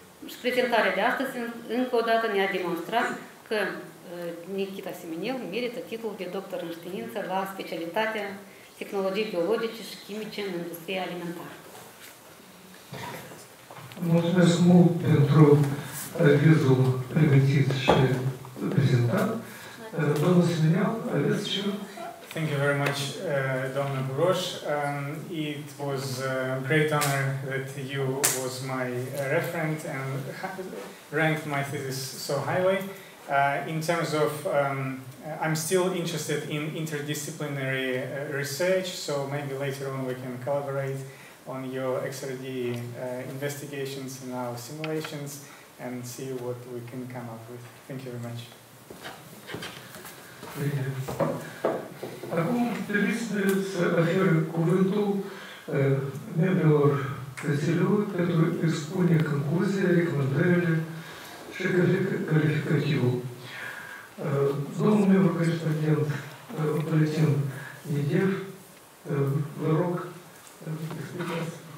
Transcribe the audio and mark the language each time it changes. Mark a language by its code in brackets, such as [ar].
[ro] Și prezentarea de astăzi, încă o dată, ne-a demonstrat că Nichita Simeniel merită titlul de doctor în știință la specialitatea tehnologiei biologice și chimice în industrie alimentară. Mulțumesc mult pentru avizul pregătit și prezentat. Domnul Simeniel, aveți și... [en] Thank you very much, Domnul Buroș. It was a great honor that you was my referent and ranked my thesis so highly. In terms of, I'm still interested in interdisciplinary research, so maybe later on we can collaborate on your XRD investigations and our simulations and see what we can come up with. Thank you very much. [ro] Acum trebuie să ofer cuvântul membrilor Consiliului pentru expune concluzia, recomandările și calificativul. Domnul membru corespondent Valentin Недев, vă rog, explicați.